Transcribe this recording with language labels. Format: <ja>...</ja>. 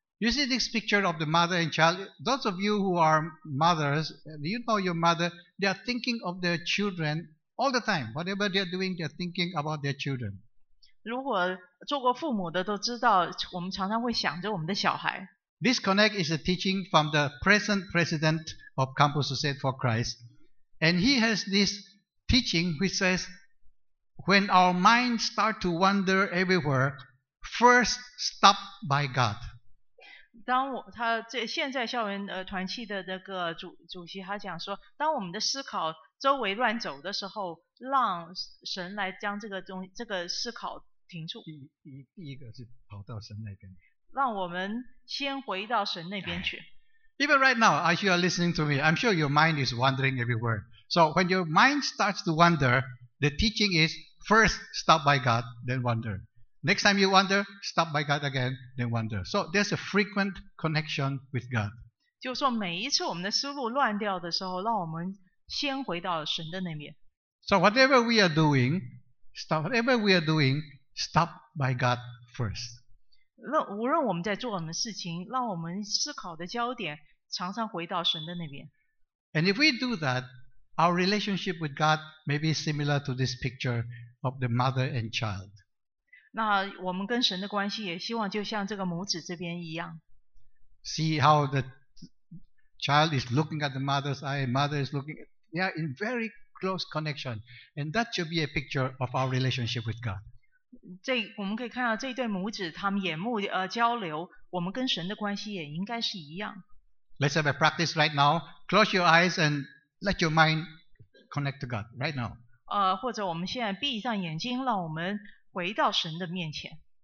<en>You see this picture of the mother and child? Those of you who are mothers, you know your mother, they are thinking of their children all the time. Whatever they are doing, they are thinking about their children.</en> <zh>如果做过父母的都知道，我们常常会想着我们的小孩。</zh> <en>This connect is a teaching from the present president of Campus Crusade for Christ. And he has this teaching which says, when our mind start to wander everywhere, first stop by God.</en> <zh>当我他这现在校园团契的那个主席他讲说，当我们的思考周围乱走的时候，让神来将这个思考停住。第一个是跑到神那边。让我们先回到神那边去。</zh> <en>Even right now, as you are listening to me, I'm sure your mind is wandering everywhere. So when your mind starts to wander, the teaching is first stop by God, then wander. Next time you wander, stop by God again, then wander. So there's a frequent connection with God.</en> <zh>就说每一次我们的思路乱掉的时候，让我们先回到神的那边。</zh> <en>So whatever we are doing, stop by God first.</en> <zh>无论我们在做什么事情，让我们思考的焦点常常回到神的那边。</zh> <en>And if we do that,Our relationship with God may be similar to this picture of the mother and child.</en> <zh>那我们跟神的关系也希望就像这个母子这边一样。</zh> <en>See how the child is looking at the mother's eye, mother is looking at, they are in very close connection. And that should be a picture of our relationship with God.</en> <zh>这我们可以看到这对母子他们眼目交流，我们跟神的关系也应该是一样。</zh> <en>Let's have a practice right now. Close your eyes andLet your mind connect to God right now.</en> <zh>或者我们现在闭上眼睛，让我们回到神的面前。</zh>